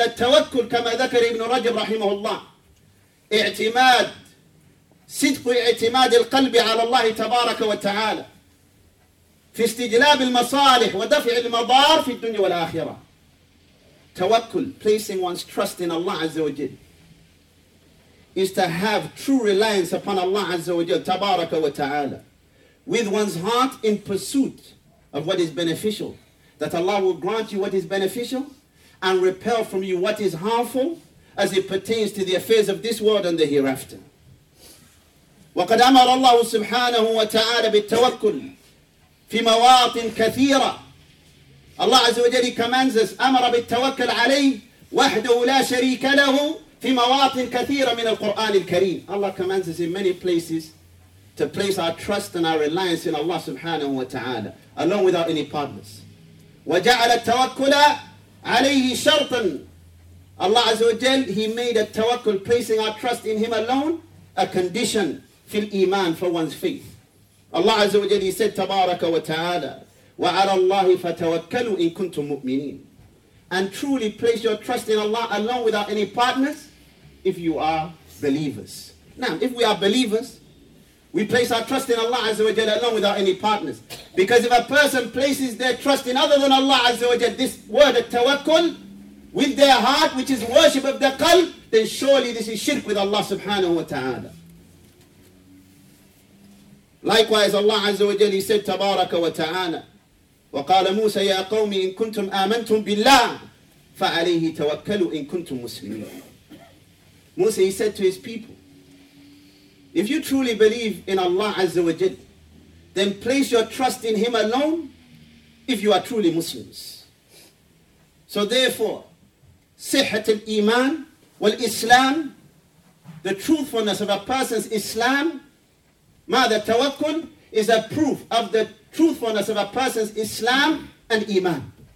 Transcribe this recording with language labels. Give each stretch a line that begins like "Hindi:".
Arabic: التوكل كما ذكر ابن رجب رحمه الله, اعتماد, صدق اعتماد القلب على الله تبارك وتعالى في استجلاب المصالح ودفع المضار في الدنيا والآخرة.
English: توكل, placing one's trust in Allah Azza wa Jal, is to have true reliance upon Allah Azza wa Jal
Arabic: تبارك وتعالى
English: with one's heart in pursuit of what is beneficial, that Allah will grant you what is beneficial and repel from you what is harmful as it pertains to the affairs of this world and the hereafter.
Arabic: وَقَدْ أَمَرَ اللَّهُ سُبْحَانَهُ وَتَعَالَى بِالتَّوَكُّلِ فِي مَوَاطٍ كَثِيرَةٍ.
English: Allah Azza wa Jalla commands us,
Arabic: أَمَرَ بِالتَّوَكَّلْ عَلَيْهِ وَحْدَهُ لَا شَرِيكَ لَهُ فِي مَوَاطٍ كَثِيرَةٍ مِنَ الْقُرْآنِ الْكَرِيمِ.
English: Allah commands us in many places to place our trust and our reliance in Allah subhanahu wa ta'ala, alone without any partners.
Arabic: وَجَعَلَ التَّوَكُّلَ عَلَيْهِ شَرْطًا.
English: Allah Azza wa Jal, He made a tawakkul, placing our trust in Him alone, a condition
Arabic: في الإيمان,
English: for one's faith. Allah Azza wa Jal, He said,
Arabic: تَبَارَكَ وَتَعَالَى وَعَلَى اللَّهِ فَتَوَكَّلُوا إِن كُنْتُم مُؤْمِنِينَ.
English: And truly place your trust in Allah alone without any partners if you are believers. Now, if we are believers, we place our trust in Allah Azza wa Jal alone without any partners. Because if a person places their trust in other than Allah Azza wa Jal, this word at tawakkul with their heart, which is worship of the qalb, then surely this is shirk with Allah subhanahu wa ta'ala. Likewise, Allah Azza wa Jalla, he said, Tabaraka wa ta'ala.
Arabic: وقال موسى يا قوم إن كنتم آمنتم بالله فعليه توكلوا إن كنتم مسلمين.
English: Musa, he said to his people, if you truly believe in Allah Azza wa Jal, then place your trust in Him alone if you are truly Muslims. So therefore,
Arabic: sihhat al-Iman wal-Islam,
English: the truthfulness of a person's Islam,
Arabic: ma'ada tawakkul,
English: is a proof of the truthfulness of a person's Islam and Iman.